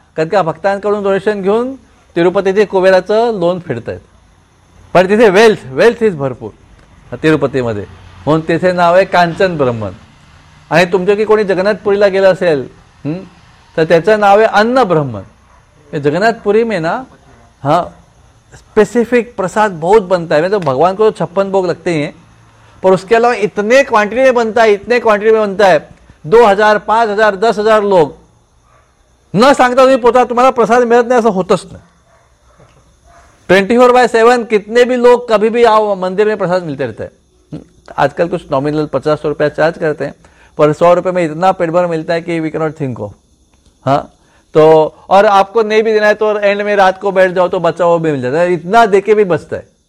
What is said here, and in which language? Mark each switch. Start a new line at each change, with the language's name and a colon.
Marathi: कारण का भक्तांकडून डोनेशन घेऊन तिरुपतीचे कुबेराचं लोन फेडतायत. पण तिथे वेल्थ इज भरपूर तिरुपतीमध्ये. म्हणून तिथे नाव आहे कांचन ब्रह्मन. आणि तुमच्यापैकी कोणी जगन्नाथपुरीला गेलं असेल तर त्याचं नाव आहे अन्न ब्रह्मन.
Hindi: जगन्नाथपुरी मे ना हां स्पेसिफिक प्रसाद बहुत बनता है. मैं तो भगवान को तो 56 भोग लगते हैं पर उसके अलावा इतने क्वांटिटी में बनता है 2000 5000 10000 लोग
Marathi: न सांगता तुम्ही पोटात तुम्हाला प्रसाद मिळत नाही असं होतच नाही.
Hindi: 24/7 कितने भी लोग कभी भी आओ मंदिर में प्रसाद मिलते रहते हैं. आजकल कुछ नॉमिनल 50 रुपया चार्ज करते हैं पर 100 रुपये में इतना पेट भर मिलता है कि
English: We cannot think of.
Hindi: हाँ तो और आपको नहीं भी देना है तो एंड में रात को बैठ जाओ तो बच्चा वो भी मिल जाता है, इतना देके भी बचता है.